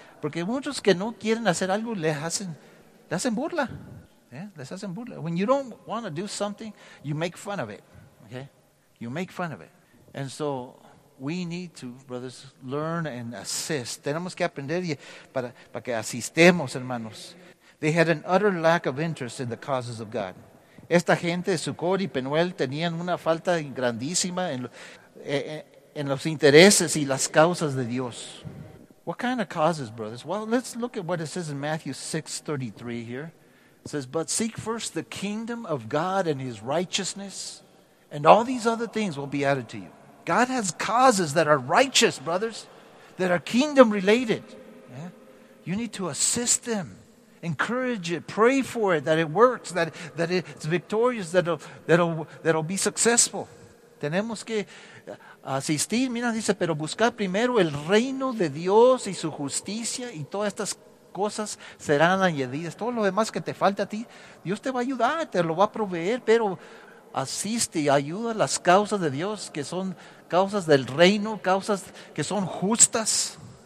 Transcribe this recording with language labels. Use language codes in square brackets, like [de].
[es] Porque muchos que no quieren hacer algo les hacen burla. Yeah, les hacen burla. [en] When you don't want to do something, you make fun of it. Okay? You make fun of it. And so we need to, brothers, learn and assist. [es] Tenemos que aprender para que asistemos, hermanos. [en] They had an utter lack of interest in the causes of God. [es] Esta gente, Sucor y Penuel, tenían una falta grandísima en los intereses y las causas de Dios. [en] What kind of causes, brothers? Well, let's look at what it says in Matthew 6:33 here. It says, but seek first the kingdom of God and his righteousness, and all these other things will be added to you. God has causes that are righteous, brothers, that are kingdom related. Yeah? You need to assist them, encourage it, pray for it, that it works, that it's victorious, that'll be successful. [es] Tenemos que asistir, mira, dice, pero buscar primero el reino de Dios y su justicia, y todas estas cosas serán añadidas. Todo lo demás que te falta a ti, Dios te va a ayudar, te lo va a proveer, pero asiste y ayuda a las causas de Dios, que son causas del reino, causas que son justas.